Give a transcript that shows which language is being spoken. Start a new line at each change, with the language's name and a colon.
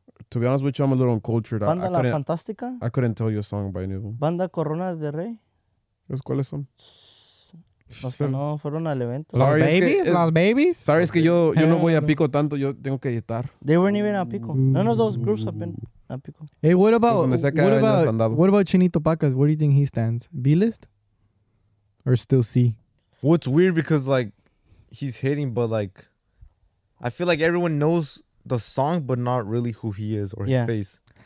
English: To be honest with you, I'm a little uncultured. Banda La Fantástica? I couldn't tell you a song by any of them. Banda Corona de Rey?
Spanish: ¿Cuáles son? Los que no fueron al evento.
English: Sorry,
Spanish: ¿Los babies? Es que, ¿Los babies?
English: Sorry, okay.
Spanish: Es que yo no voy a Pico tanto, yo tengo que editar.
English: They weren't even a Pico. None of those groups have been a Pico. Hey, what about Chinito Pacas? Where do you think he stands? B-list? Or still C? What's weird because, like, he's hitting, but, like, I feel like everyone knows the song, but not really who he is or his face.